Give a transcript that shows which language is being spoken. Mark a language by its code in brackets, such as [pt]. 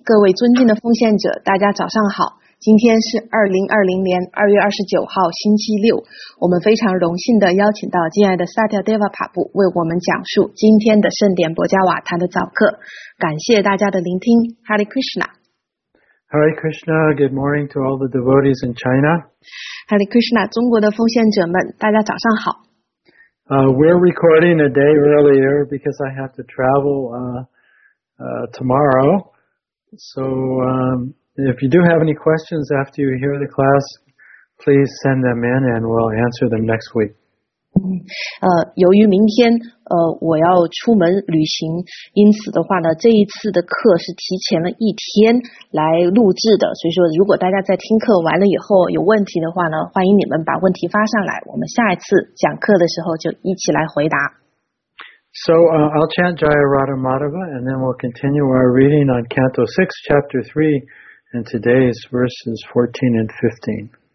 [zh] 各位尊敬的奉献者，大家早上好。今天是2020年2月29号，星期六。我们非常荣幸的邀请到敬爱的萨提亚德瓦帕布为我们讲述今天的圣典博加瓦坛的早课。感谢大家的聆听。Hare Krishna。 [en] Hare Krishna. Good morning to all the devotees in China. Hare Krishna. [zh] 中国的奉献者们，大家早上好。 [en] We're recording a day earlier because I have to travel tomorrow. So if you do have any questions after you hear the class, please send them in and we'll answer them next week. [zh] 由于明天我要出门旅行，因此的话呢，这一次的课是提前了一天来录制的。所以说，如果大家在听课完了以后有问题的话呢，欢迎你们把问题发上来，我们下一次讲课的时候就一起来回答。 [en] So I'll chant Jaya Radha Madhava, and then we'll continue our reading on Canto 6, Chapter 3, and today's verses 14 and 15.